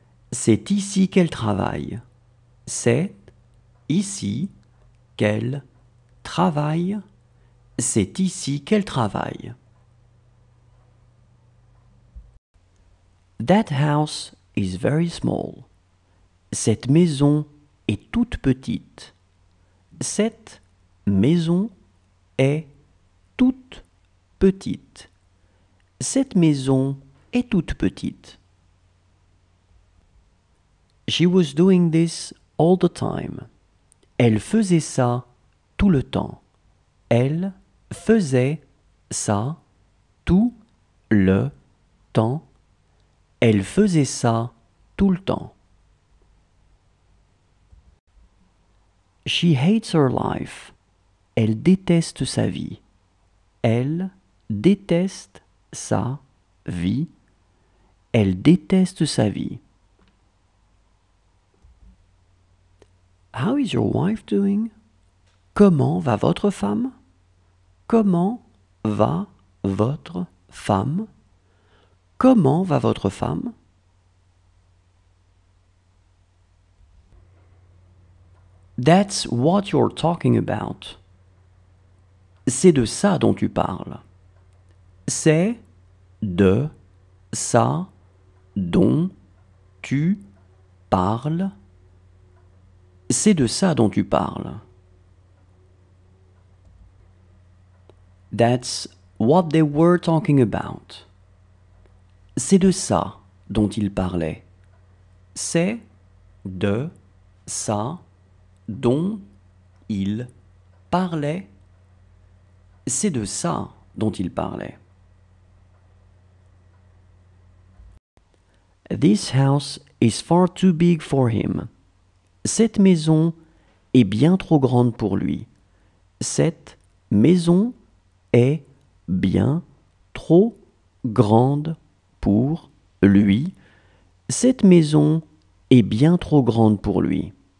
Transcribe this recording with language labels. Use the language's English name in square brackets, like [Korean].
[French] C'est ici qu'elle travaille. C'est ici qu'elle travaille. C'est ici qu'elle travaille. [English] That house is very small. [French] Cette maison est toute petite. Cette maison est toute petite. Cette maison est toute petite. [English] She was doing this all the time. [French] Elle faisait ça tout le temps. Elle faisait ça tout le temps. Elle faisait ça tout le temps. [English] She hates her life. [French] Elle déteste sa vie. Elle déteste sa vie. Elle déteste sa vie. [English] How is your wife doing? [French] Comment va votre femme? Comment va votre femme? Comment va votre femme? [English] That's what you're talking about. [French] C'est de ça dont tu parles. C'est de ça dont tu parles. C'est de ça dont tu parles. [English] That's what they were talking about. [French] C'est de ça dont ils parlaient. C'est de ça dont ils parlaient. C'est de ça dont ils parlaient. [English] This house is far too big for him. [French] Cette maison est bien trop grande pour lui. Cette maison est bien trop grande pour lui. Cette maison est bien trop grande pour lui.